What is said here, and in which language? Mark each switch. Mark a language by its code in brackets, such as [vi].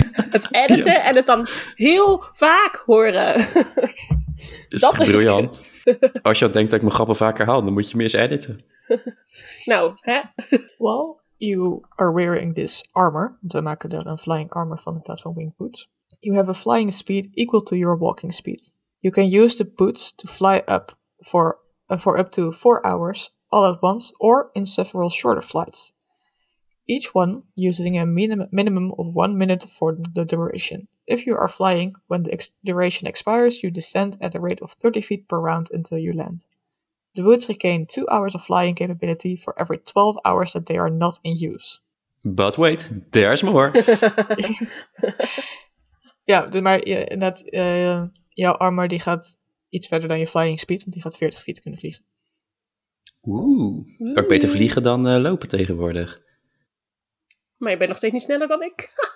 [nl] Het editen en het dan heel vaak horen. Is dat briljant? Als je denkt dat ik mijn grappen vaker haal, dan moet je me eens editen. Nou, hè? [en] Well, you are wearing this armor. [nl] We maken er een flying armor van in plaats van winged boots. [en] You have a flying speed equal to your walking speed. You can use the boots to fly up for up to 4 hours all at once or in several shorter flights. Each one using a minimum of 1 minute for the duration. If you are flying, when the duration expires, you descend at a rate of 30 feet per round until you land. The boots regain 2 hours of flying capability for every 12 hours that they are not in use. But wait, there's more. [nl] Ja, maar inderdaad, jouw armor die gaat iets verder dan je flying speed, want die gaat 40 feet kunnen vliegen. Oeh, kan ik beter vliegen dan lopen tegenwoordig. Maar je bent nog steeds niet sneller dan ik.